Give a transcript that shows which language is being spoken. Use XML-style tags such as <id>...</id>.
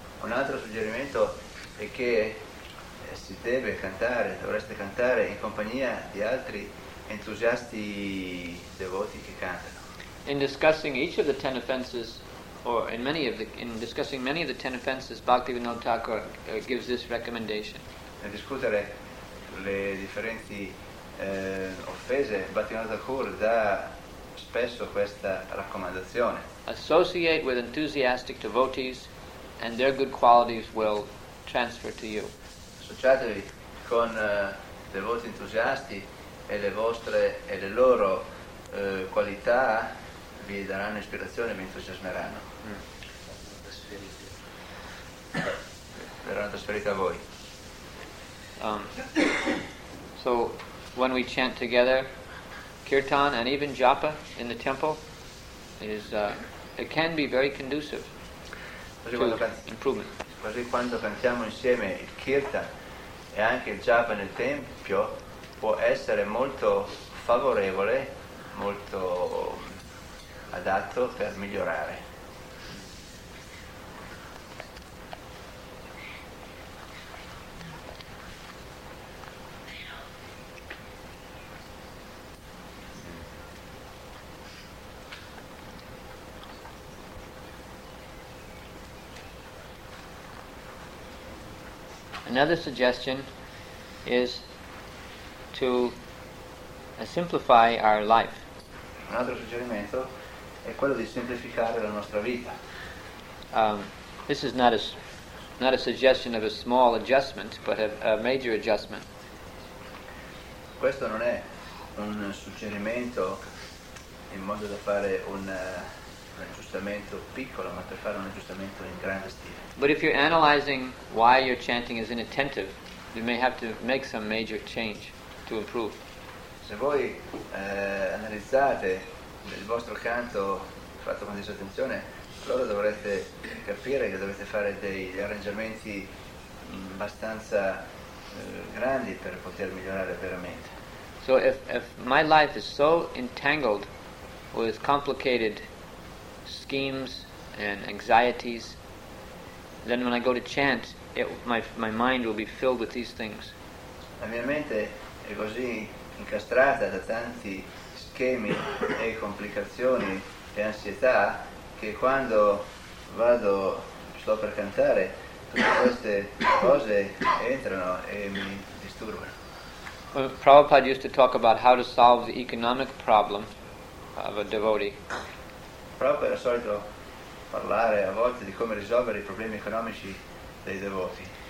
<it>Un altro suggerimento è che si deve cantare, dovreste cantare in compagnia di altri entusiasti devoti che cantano.</it> <en>In discussing each of the ten offenses, or in many of the ten offenses, Bhaktivinoda Thakur gives this recommendation.</en> <it>Nel discutere le differenti offese, Bhaktivinoda Thakur dà spesso questa raccomandazione.</it> <en>Associate with enthusiastic devotees, and their good qualities will transfer to you.</en> <it>Associatevi con devoti entusiasti. E le vostre e le loro qualità vi daranno ispirazione e vi entusiasmeranno. Verranno trasferite a voi.</it> <en>So when we chant together kirtan and even japa in the temple is it can be very conducive to improvement.</en> <it>Così quando cantiamo insieme il kirtan e anche il japa nel tempio può essere molto favorevole, molto adatto per migliorare.</it> <en>Another suggestion is to simplify our life.</en> <it>Un altro suggerimento è quello di semplificare la nostra vita.</it> <en>This is not a suggestion of a small adjustment, but a major adjustment.</en> <it>Questo non è un suggerimento in modo da fare un aggiustamento piccolo, ma per fare un aggiustamento in grande stile.</it> <en>But if you're analyzing why your chanting is inattentive, you may have to make some major change.</en> <it>Se voi analizzate il vostro canto fatto con disattenzione, allora dovrete capire che dovete fare degli arrangiamenti abbastanza grandi per poter migliorare veramente.</it> <en>So if my life is so entangled with complicated schemes and anxieties, then when I go to chant, my mind will be filled with these things.</en> <it>La mia mente è così incastrata da tanti schemi e complicazioni e ansietà che quando vado, sto per cantare, tutte queste cose entrano e mi disturbano.</it> <en>Well, Prabhupada used to talk about how to solve the economic problem of a devotee.</en> <it>Prabhupada era solito parlare a volte di come risolvere i problemi economici dei devoti.</it>